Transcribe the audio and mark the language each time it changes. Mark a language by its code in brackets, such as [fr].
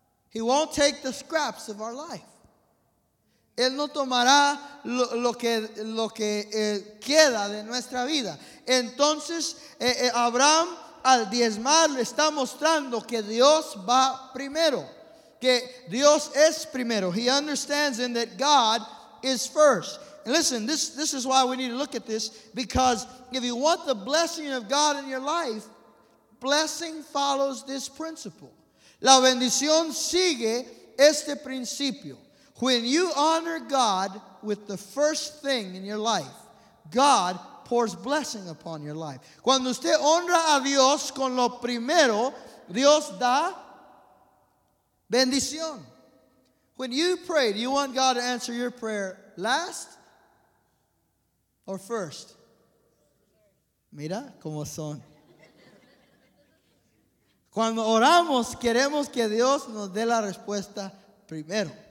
[en] He won't take the scraps of our life. [es] Él no tomará lo que queda de nuestra vida. Entonces, Abraham, al diezmar, le está mostrando que Dios va primero. Que Dios es primero. [en] He understands in that God is first. And listen, this is why we need to look at this. Because if you want the blessing of God in your life, blessing follows this principle. [es] La bendición sigue este principio. [en] When you honor God with the first thing in your life, God pours blessing upon your life. [es] Cuando usted honra a Dios con lo primero, Dios da bendición. [en] When you pray, do you want God to answer your prayer last or first? [es] Mira cómo son. Cuando oramos, queremos que Dios nos dé la respuesta primero.